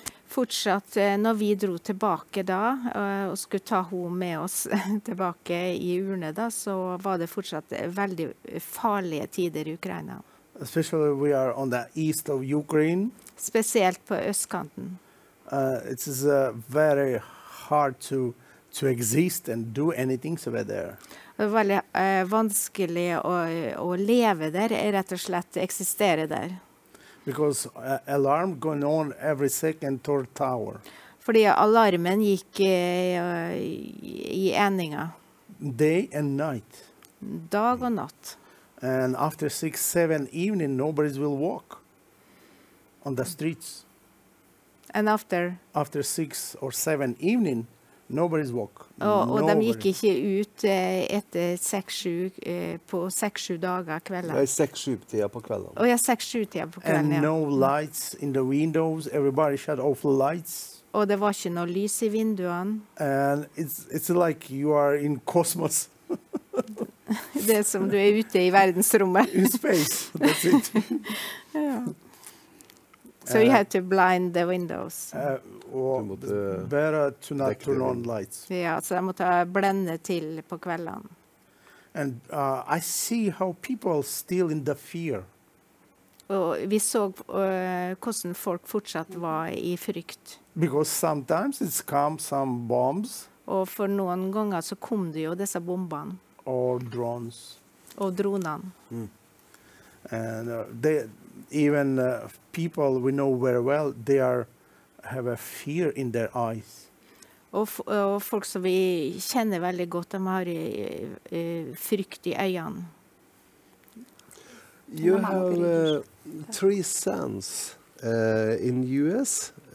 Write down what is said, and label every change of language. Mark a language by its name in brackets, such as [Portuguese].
[Norwegian] Fortsatt, når vi dro tilbake da, og skulle ta henne med oss tilbake i urne da, så var det fortsatt veldig farlige tider i Ukraina. [English] Especially we are on the east of Ukraine. [Norwegian] Spesielt på østkanten. [English] It's very hard to exist and do anything over there. [Norwegian] Det var veldig vanskelig å leve der, rett og slett eksistere der. [English] Because alarm going on every second, third tower. [Norwegian] Fordi alarmen gikk i endinga. [English] Day and night. [Norwegian] Dag og natt. [English] And after 6-7 evening, nobody will walk on the streets. And after? After 6 or 7 evening, nobody's walk. [Norwegian] Og de gikk ikke ut etter 6-7 på 6-7 dager kvelden. Det er 6-7-tida på kvelden. Og ja, 6-7-tida på kvelden, [English] ja. And no lights in the windows. Everybody shut off the lights. [Norwegian] Og det var ikke noe lys i vinduene. [English] And it's like you are in cosmos. [Norwegian] Det som du er ute i verdensrommet. [English] In space, that's it. So you had to blind the windows. Better to not turn on lights. [Norwegian] Ja, så de måtte blende til på kvelden. [English] And I see how people still in the fear. [Norwegian] Og vi så hvordan folk fortsatt var i frykt. [English] Because sometimes it's come some bombs. [Norwegian] Og for noen ganger så kom det jo disse bombene. [English] Or drones. [Norwegian] Og dronene. [English] And they even people we know very well, they are have a fear in their eyes. [Norwegian] Og folk som vi kjenner veldig godt, de har frykt i øynene. [English] You have three sons in US.